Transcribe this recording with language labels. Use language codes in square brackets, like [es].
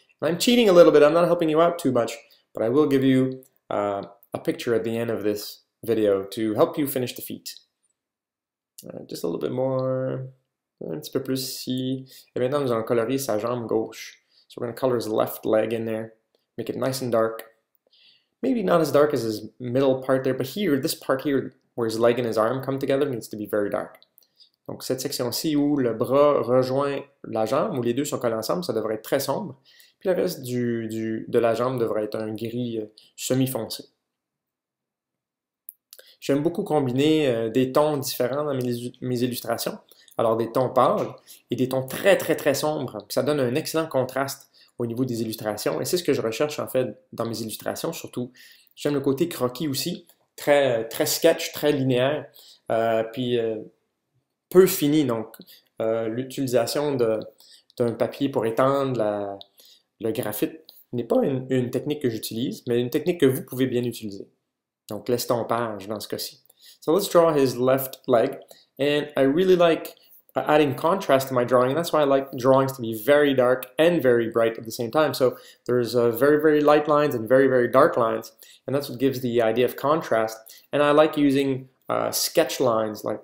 [en] And I'm cheating a little bit. I'm not helping you out too much. But I will give you a picture at the end of this video to help you finish the feet. Just a little bit more, [fr] un petit peu plus ici. Et maintenant, nous allons colorier sa jambe gauche. [en] So we're going to color his left leg in there. Make it nice and dark. Maybe not as dark as his middle part there, but here, this part here, where his leg and his arm come together, needs to be very dark. [fr] Donc cette section-ci où le bras rejoint la jambe, où les deux sont collés ensemble, ça devrait être très sombre. Puis le reste de la jambe devrait être un gris semi-foncé. J'aime beaucoup combiner des tons différents dans mes illustrations. Alors des tons pâles et des tons très très très sombres. Ça donne un excellent contraste au niveau des illustrations. Et c'est ce que je recherche en fait dans mes illustrations surtout. J'aime le côté croquis aussi. Très très sketch, très linéaire. Peu fini. Donc l'utilisation d'un papier pour étendre le graphite n'est pas une technique que j'utilise, mais une technique que vous pouvez bien utiliser. Donc, l'estompage dans ce cas-ci. [en] So let's draw his left leg. And I really like adding contrast to my drawing. And that's why I like drawings to be very dark and very bright at the same time. So there's very, very light lines and very, very dark lines. And that's what gives the idea of contrast. And I like using sketch lines.